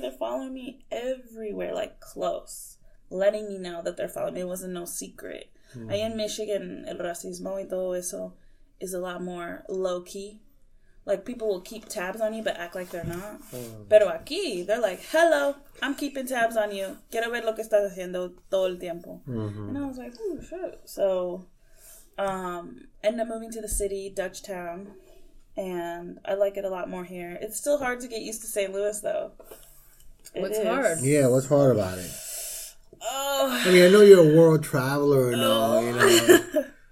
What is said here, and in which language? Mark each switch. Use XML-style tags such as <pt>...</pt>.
<en>They're following me everywhere, like close, letting me know that they're following me. It wasn't no secret. Mm-hmm.</en> <es>Ahí en Michigan, el racismo y todo eso</es> <en>is a lot more low-key. Like, people will keep tabs on you, but act like they're not.</en> <es>Pero aquí,</es> <en>they're like, hello, I'm keeping tabs on you.</en> <es>Quiero ver lo que estás haciendo todo el tiempo.</es> <en>Mm-hmm. And I was like, oh, shit. So, end up moving to the city, Dutch Town. And I like it a lot more here. It's still hard to get used to St. Louis, though. What's hard? Yeah, what's hard about it? I mean, I know you're a world traveler and all, you know.</en>